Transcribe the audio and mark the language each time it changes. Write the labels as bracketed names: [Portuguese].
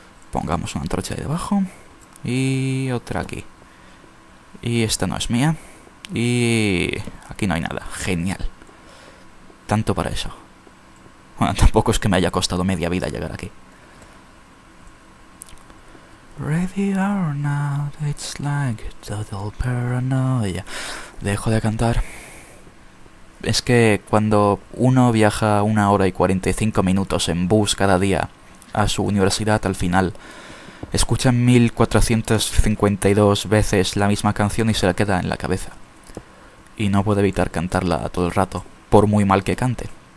[Spanish] Pongamos una antorcha ahí debajo. Y otra aquí. Y esta no es mía. Y aquí no hay nada. Genial. Tanto para eso. Bueno, tampoco es que me haya costado media vida llegar aquí. [English] Ready or not, it's like total paranoia. [Spanish] Dejo de cantar. Es que cuando uno viaja 1 hora y 45 minutos en bus cada día a su universidad, al final escucha 1.452 veces la misma canción y se la queda en la cabeza. Y no puede evitar cantarla todo el rato, por muy mal que cante.